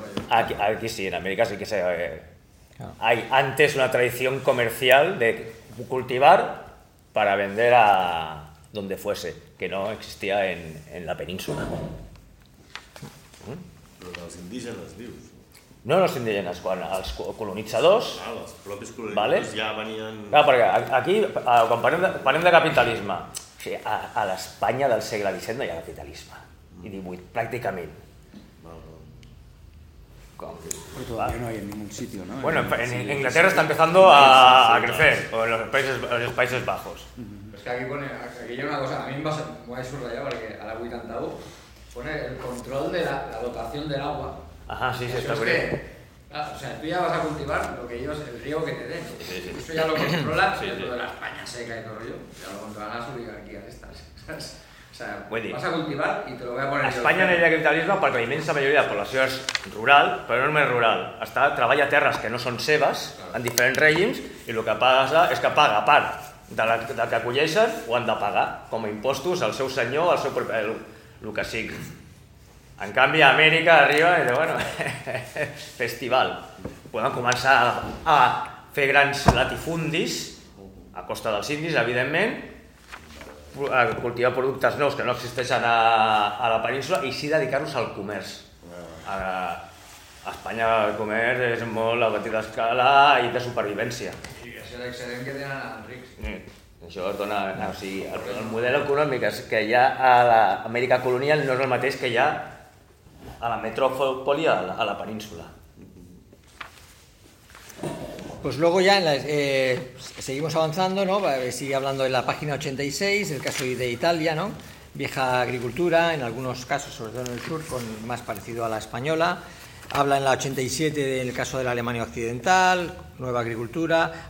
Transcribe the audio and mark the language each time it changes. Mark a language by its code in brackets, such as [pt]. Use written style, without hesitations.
[es] Aquí sí, en América sí que se... hay antes una tradición comercial de cultivar para vender a donde fuese, que no existía en la península. Pero los indígenas, [ca] dius. [es] No los indígenas, [ca] quan els colonitzadors... Ah, els propis colonitzadors, ¿vale? Ja venien... Clar, perquè aquí, quan parlem de capitalisme, o sigui, a l'Espanya del segle XVII no hi ha capitalisme, i XVIII, pràcticament. [es] Pero todavía no hay en ningún sitio, ¿no? Bueno, en Inglaterra está empezando a crecer, o en los Países Bajos. Pues que aquí hay una cosa, a mí me va a subrayar, porque a la 81 pone el control de la dotación del agua. Ajá, sí, sí, está bien. O sea, tú ya vas a cultivar lo que ellos, el riego que te den. Sí, sí. Eso ya lo controla, sí, sí. Todo de la España seca y todo rollo, ya lo controlan las oligarquías estas. O sea, vas a cultivar y te lo voy a poner... [ca] España no hi ha capitalisme perquè la immensa majoria de la població és rural, però no només rural. Treballa a terres que no són seves, en diferents règims, i el que passa és que paga part de que acolleixen, ho han de pagar com a impostos al seu senyor, al seu propi... el que sigui. En canvi, a Amèrica arriba i diu, bueno, festival. Podem començar a fer grans latifundis, a costa dels indis, evidentment, a cultivar productes nous que no existeixen a la península i sí dedicar-los al comerç. A Espanya el comerç és molt a petita escala i de supervivència. I és l'excedent que tenen els rics. Sí. Això dona... O sigui, el model econòmic que hi ha a l'Amèrica colonial no és el mateix que hi ha a la metròpoli a la península. [es] Pues luego ya seguimos avanzando, ¿no? Sigue hablando en la página 86, el caso de Italia, ¿no? Vieja agricultura, en algunos casos, sobre todo en el sur, con más parecido a la española. Habla en la 87 del caso de la Alemania Occidental, nueva agricultura.